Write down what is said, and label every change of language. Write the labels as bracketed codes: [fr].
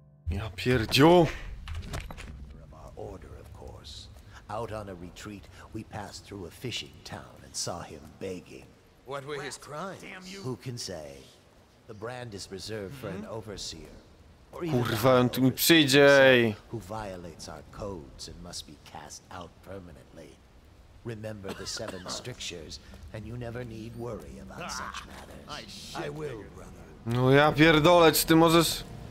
[pl] Ja pierdziu. [en] Out on a retreat, we passed through a fishing town and saw him begging. What were his crimes? Who can say? The brand is reserved for an overseer. [pl] Kurwa, on tu mi przyjdzie. [en] Who violates our codes and must be cast out permanently. Remember the seven strictures, and you never need worry about such matters. I will, brother. [pl] No ja pierdolę, czy ty możesz...